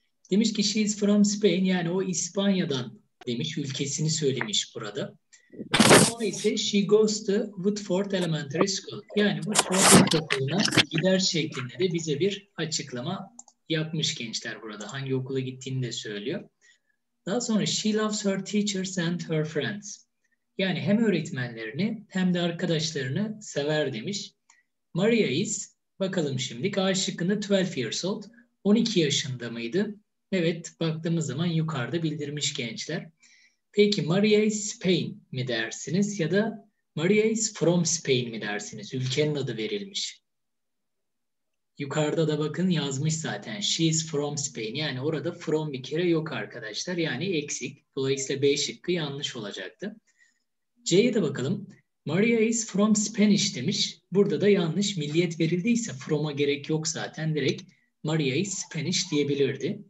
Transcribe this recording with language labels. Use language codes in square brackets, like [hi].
[tr] Demiş ki [en] she is from Spain, [tr] yani o İspanya'dan demiş, ülkesini söylemiş burada. Sonra ise [en] she goes to Woodford Elementary School, [tr] yani Woodford Okulu'na gider şeklinde de bize bir açıklama yapmış gençler burada. Hangi okula gittiğini de söylüyor. Daha sonra [en] she loves her teachers and her friends. [tr] Yani hem öğretmenlerini hem de arkadaşlarını sever demiş. [en] Maria is, [tr] bakalım şimdi A şıkkında [en] 12 years old. [tr] 12 yaşında mıydı? Evet, baktığımız zaman yukarıda bildirmiş gençler. Peki [en] Maria is Spain [tr] mi dersiniz ya da [en] Maria is from Spain [tr] mi dersiniz? Ülkenin adı verilmiş. Yukarıda da bakın yazmış zaten. [en] She is from Spain. [tr] Yani orada from bir kere yok arkadaşlar. Yani eksik. Dolayısıyla B şıkkı yanlış olacaktı. C'ye de bakalım. [en] Maria is from Spanish [tr] demiş. Burada da yanlış. Milliyet verildiyse from'a gerek yok zaten. Direkt [en] Maria is Spanish [tr] diyebilirdi.